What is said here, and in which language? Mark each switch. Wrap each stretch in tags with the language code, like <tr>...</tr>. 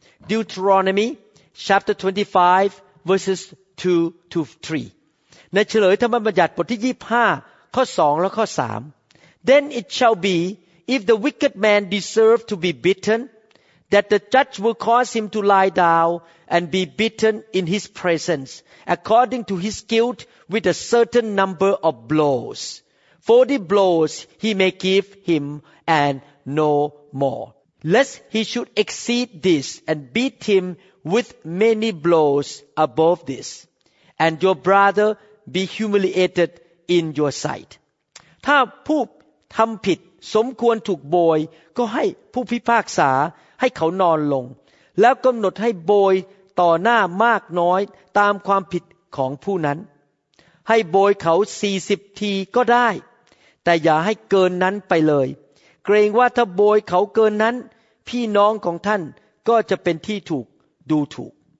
<en>Deuteronomy chapter 25 verses 2 to 3</en> <th>ในเฉลยธรรมบัญญัติบทที่25ข้อ2และข้อ3</th> <en>Then it shall be if the wicked man deserve to be beaten that the judge will cause him to lie down and be beaten in his presence according to his guilt with a certain number of blows 40 blows he may give him and no more. lest he should exceed this and beat him with many blows above this, and your brother be humiliated in your sight.</en> <th>ถ้าผู้ทำผิดสมควรถูกโบยก็ให้ผู้พิพากษาให้เขานอนลงแล้วกำหนดให้โบยต่อหน้ามากน้อยตามความผิดของผู้นั้นให้โบยเขา40ทีก็ได้แต่อย่าให้เกินนั้นไปเลยเกรงว่าถ้าโบยเขาเกินนั้นพี่น้องของท่านก็จะเป็นที่ถูกดูถูก</th>